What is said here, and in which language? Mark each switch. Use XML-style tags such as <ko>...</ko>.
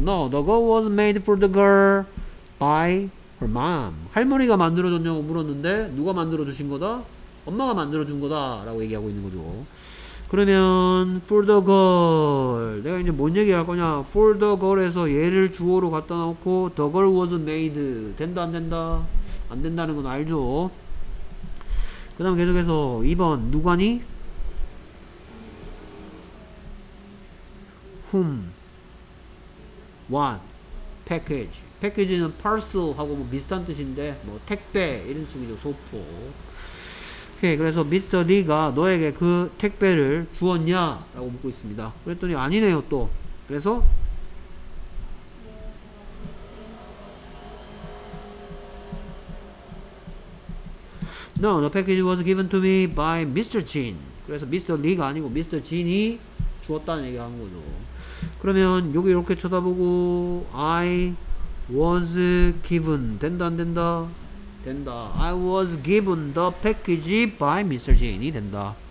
<en>No, the girl was made for the girl by her mom.</en> <ko>할머니가 만들어줬냐고 물었는데 누가 만들어주신 거다? 엄마가 만들어준 거다 라고 얘기하고 있는 거죠. 그러면</ko> <en>for the girl</en> <ko>내가 이제 뭔 얘기할 거냐.</ko> <en>for the girl</en> <ko>에서 얘를 주어로 갖다 놓고</ko> <en>the girl was made</en> <ko>된다 안 된다? 안 된다는 건 알죠. 그 다음 계속해서 2번 누가니?</ko> <en>whom, what, package.</en> <ko>package는 parcel 하고 뭐 비슷한 뜻인데 뭐 택배 이런 측이죠. 소포. 오케이. 그래서 미스터 D가 너에게 그 택배를 주었냐 라고 묻고 있습니다. 그랬더니 아니네요 또.</ko> <en>그래서 No, the package was given to me by Mr. Jin.</en> <ko>그래서 미스터 D가 아니고 미스터 진이 주었다는 얘기를 한 거죠. 그러면 여기 이렇게 쳐다보고</ko> <en>I was given</en> <ko>된다 안 된다? 된다.</ko> <en>I was given the package by Mr. Jane</en> <ko>이 된다.</ko>